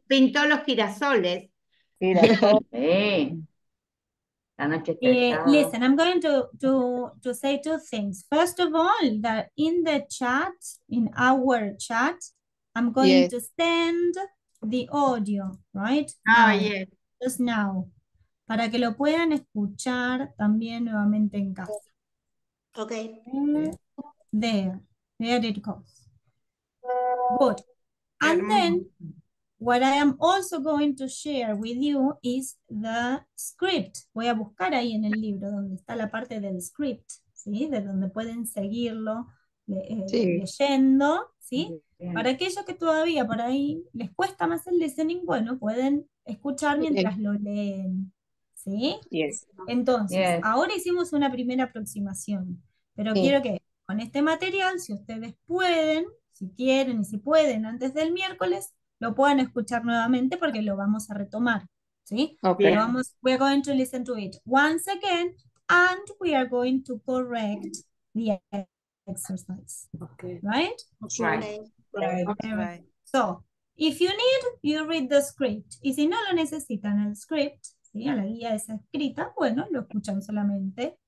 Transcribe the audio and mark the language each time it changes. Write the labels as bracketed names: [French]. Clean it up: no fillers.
[Spanish] pintó los girasoles. Girasol, La noche está helada. [English] Listen, I'm going to say two things. First of all, that in the chat, in our chat, I'm going Yes. to send the audio, right? Ah, Now, yes. just now. [Spanish] Para que lo puedan escuchar también nuevamente en casa. [English] Okay. There it goes. Good. And then what I am also going to share with you is the script. [Spanish] Voy a buscar ahí en el libro donde está la parte del script, ¿sí? De donde pueden seguirlo leyendo, ¿sí? Para aquellos que todavía por ahí les cuesta más el listening, bueno, pueden escuchar mientras lo leen, ¿sí? [English] Yes. [Spanish] Entonces, ahora hicimos una primera aproximación, pero quiero que con este material, si ustedes pueden, si quieren y si pueden antes del miércoles, lo puedan escuchar nuevamente porque lo vamos a retomar, ¿sí? [English] Okay. [Spanish] Pero vamos, [English] we are going to listen to it once again and we are going to correct the exercise. Okay. Right? Okay. Right. So, if you need, you read the script. [Spanish] Y si no lo necesitan el script, ¿sí? A la guía esa escrita, bueno, lo escuchan solamente.